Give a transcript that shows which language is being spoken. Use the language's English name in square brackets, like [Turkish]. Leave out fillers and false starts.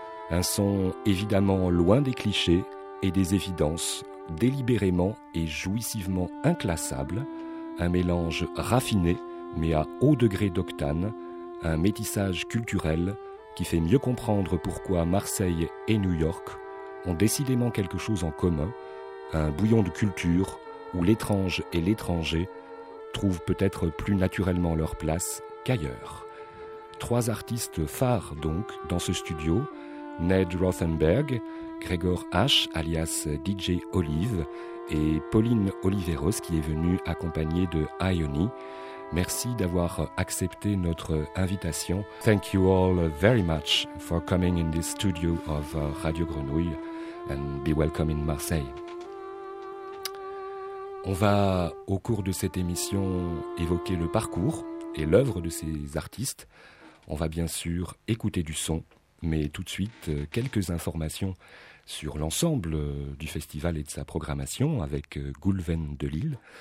[French] Un son évidemment loin des clichés et des évidences, délibérément et jouissivement inclassable, un mélange raffiné mais à haut degré d'octane, un métissage culturel qui fait mieux comprendre pourquoi Marseille et New York ont décidément quelque chose en commun, un bouillon de culture où l'étrange et l'étranger trouvent peut-être plus naturellement leur place qu'ailleurs. Trois artistes phares donc dans ce studio, Ned Rothenberg, Gregor H, alias DJ Olive, et Pauline Oliveros qui est venue accompagnée de Ioni. Merci d'avoir accepté notre invitation. [English] Thank you all very much for coming in this studio of Radio Grenouille and be welcome in Marseille. [French] On va, au cours de cette émission, évoquer le parcours et l'œuvre de ces artistes. On va bien sûr écouter du son, mais tout de suite, quelques informations sur l'ensemble du festival et de sa programmation avec Goulven Delisle.